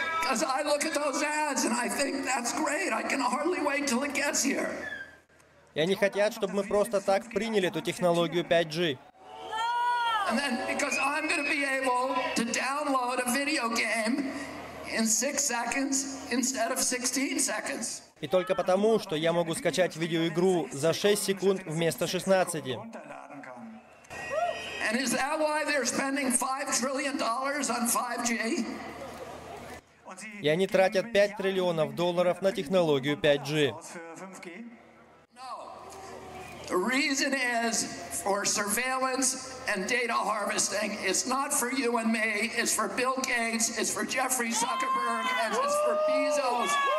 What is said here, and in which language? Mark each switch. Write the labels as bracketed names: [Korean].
[English] As I look at those ads and I think that's great. I can hardly wait till it gets here. [Russian] И они хотят, чтобы мы просто так приняли эту технологию 5G. [English] And then because I'm going to be able to download a video game in 6 seconds instead of 16 seconds. [Russian] И только потому, что я могу скачать видеоигру за 6 секунд вместо 16. [English] And is that why they're spending $5 trillion on 5G? [Russian] И они тратят $5 триллионов на технологию 5G. [English] The reason is for surveillance and data harvesting. It's not for you and me. It's for Bill Gates. It's for Jeffrey Zuckerberg. And it's for Bezos.